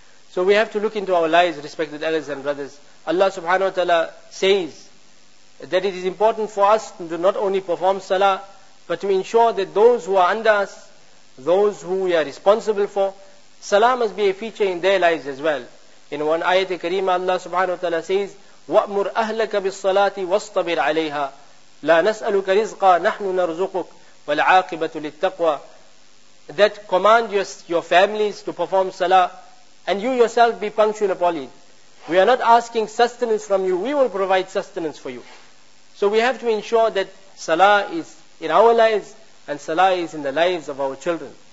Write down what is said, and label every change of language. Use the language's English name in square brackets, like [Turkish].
[English] So we have to look into our lives, respected elders and brothers. Allah subhanahu wa ta'ala says that it is important for us to not only perform salah, but to ensure that those who are under us, those who we are responsible for, salah must be a feature in their lives as well. In one ayat kareema, Allah subhanahu wa ta'ala says, [Arabic] وَأْمُرْ أَهْلَكَ بِالصَّلَاةِ وَاسْطَبِرْ عَلَيْهَا لَا نَسْأَلُكَ رِزْقًا نَحْنُ نَرْزُقُكَ وَالْعَاقِبَةُ لِلتَّقْوَى. [English] that command your families to perform salah, and you yourself be punctual upon it. We are not asking sustenance from you. We will provide sustenance for you. So we have to ensure that salah is in our lives and salah is in the lives of our children.